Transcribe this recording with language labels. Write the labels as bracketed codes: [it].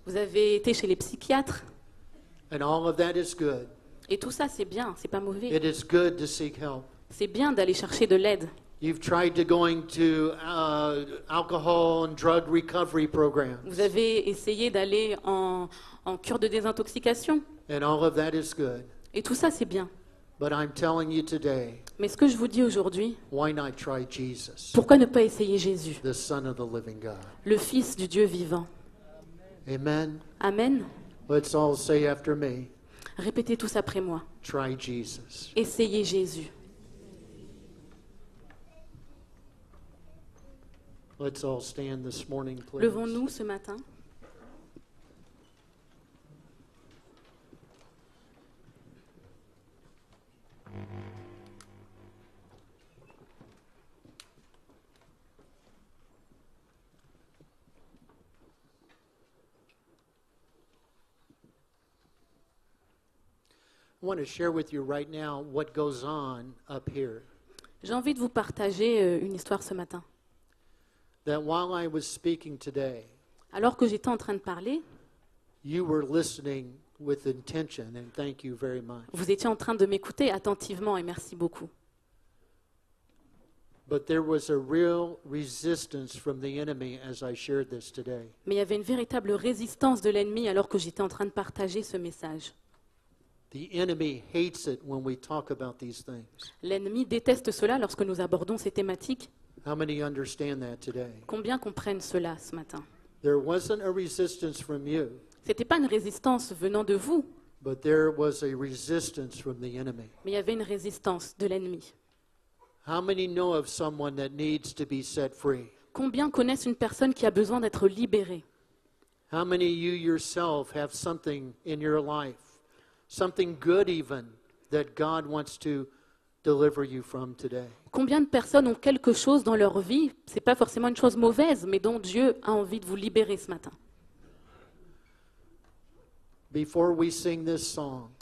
[fr] Vous avez été chez les psychiatres. [en] And all of that is good. [fr] Et tout ça, c'est bien, c'est pas mauvais. [en] It is good to seek help. [fr] C'est bien d'aller chercher de l'aide. [en] You've tried to going to alcohol and drug recovery programs. [fr] Vous avez essayé d'aller en cure de désintoxication. [en] And all of that is good. [fr] Et tout ça, c'est bien. [en] But I'm telling you today. [fr] Mais ce que je vous dis aujourd'hui. [en] Why not try Jesus? [fr] Pourquoi ne pas essayer Jésus? [en] The Son of the Living God. [fr] Le Fils du Dieu vivant. [en] Amen. [fr] Amen. [en] Let's all say after me. [fr] Répétez tous après moi. [en] Try Jesus. [fr] Essayez Jésus. [en] Let's all stand this morning, please. [fr] Levons-nous ce matin. [en] I want to share with you right now what goes on up here. [fr] J'ai envie de vous partager une histoire ce matin. [en] That while I was speaking today, [fr] alors que j'étais en train de parler, [en] you were listening with intention, and thank you very much. [fr] Vous étiez en train de m'écouter attentivement et merci beaucoup. [en] But there was a real resistance from the enemy as I shared this today. [fr] Mais il y avait une véritable résistance de l'ennemi alors que j'étais en train de partager ce message. [en] The enemy hates it when we talk about these things. [fr] L'ennemi déteste cela lorsque nous abordons ces thématiques. [en] How many understand that today? [fr] Combien comprennent cela ce matin? [en] There wasn't a resistance from you. [fr] C'était pas une résistance venant de vous. [en] But there was a resistance from the enemy. [fr] Mais il y avait une résistance de l'ennemi. [en] How many know of someone that needs to be set free? [fr] Combien connaissent une personne qui a besoin d'être libérée? [en] How many you yourself have something in your life, something good even, that God wants to deliver you from today? [fr] Combien de personnes ont quelque chose dans leur vie, ce n'est pas forcément une chose mauvaise, mais dont Dieu a envie de vous libérer ce matin. [en] Before we sing this song,